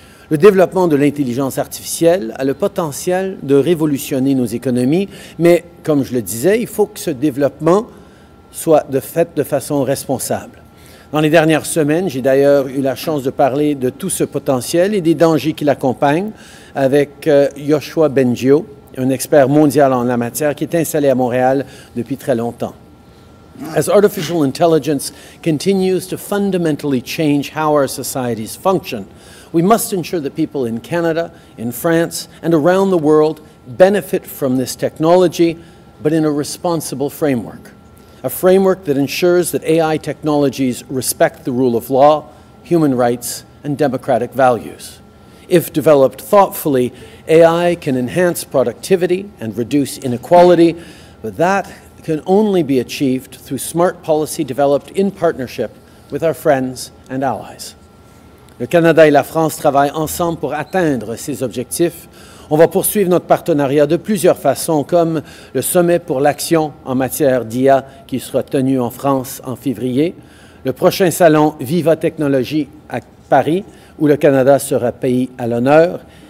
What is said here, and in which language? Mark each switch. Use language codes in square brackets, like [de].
[fr] Le développement de l'intelligence artificielle a le potentiel de révolutionner nos économies, mais, comme je le disais, il faut que ce développement soit de fait de façon responsable. Dans les dernières semaines, j'ai d'ailleurs eu la chance de parler de tout ce potentiel et des dangers qui l'accompagnent avec Joshua Bengio, un expert mondial en la matière qui est installé à Montréal depuis très longtemps. [en] As artificial intelligence continues to fundamentally change how our societies function, we must ensure that people in Canada, in France, and around the world benefit from this technology, but in a responsible framework. A framework that ensures that AI technologies respect the rule of law, human rights, and democratic values. If developed thoughtfully, AI can enhance productivity and reduce inequality, but that can only be achieved through smart policy developed in partnership with our friends and allies. [fr] Le Canada et la France travaillent ensemble pour atteindre ces objectifs. On va poursuivre notre partenariat de plusieurs façons, comme le sommet pour l'action en matière d'IA qui sera tenu en France en février, le prochain salon Viva Technologie à Paris, où le Canada sera pays à l'honneur,